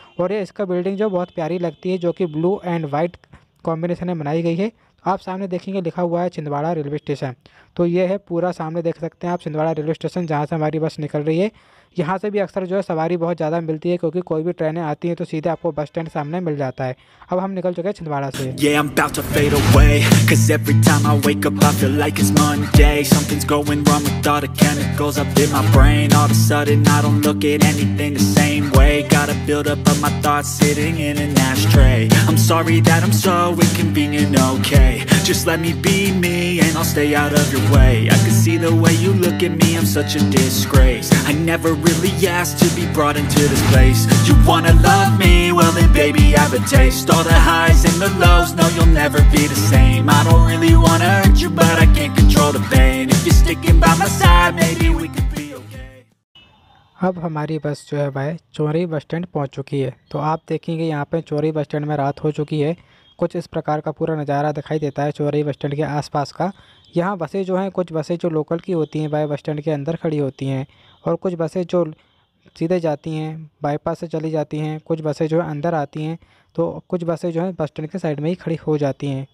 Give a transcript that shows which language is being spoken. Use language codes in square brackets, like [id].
[hi] और ये इसका बिल्डिंग जो बहुत प्यारी लगती है, जो कि [en] blue and white combination [hi] में बनाई गई है। आप सामने देखेंगे लिखा हुआ है छिंदवाड़ा रेलवे स्टेशन। तो ये है पूरा सामने देख सकते हैं आप छिंदवाड़ा रेलवे स्टेशन जहाँ से हमारी बस निकल रही है। यहाँ से भी अक्सर जो है सवारी बहुत ज़्यादा मिलती है क्योंकि कोई भी ट्रेनें आती हैं तो सीधे आपको बस स्टैंड सामने मिल जाता है। अब हम निकल चुके हैं छिंदवाड़ा से। [en] Yeah, I'm about to fade away, 'cause every time I wake up I feel like it's Monday. Something's going wrong with all the chemicals up in my brain. All of a sudden I don't look at anything the same way. Gotta build up of my thoughts sitting in an ashtray. I'm sorry that I'm so inconvenient, okay. Just let me be me and I'll stay out of your way. I can see the way you look at me, I'm such a disgrace. I never really asked to be brought into this place. You wanna love me, well then baby I have a taste. All the highs and the lows, no you'll never be the same. I don't really wanna hurt you, but I can't control the pain. If you're sticking by my side, maybe we could be okay. [hi] अब हमारी बस जो है भाई चोरी bus stand पहुंच चुकी है। तो आप देखेंगे यहाँ पे चोरी बस स्टैंड में रात हो चुकी है। कुछ इस प्रकार का पूरा नज़ारा दिखाई देता है चोरी बस स्टैंड के आसपास का। यहाँ बसें जो हैं, कुछ बसें जो लोकल की होती हैं बाई बस स्टैंड के अंदर खड़ी होती हैं और कुछ बसें जो सीधे जाती हैं बाईपास से चली जाती हैं, कुछ बसें जो है अंदर आती हैं, तो कुछ बसें जो हैं बस स्टैंड के साइड में ही खड़ी हो जाती हैं।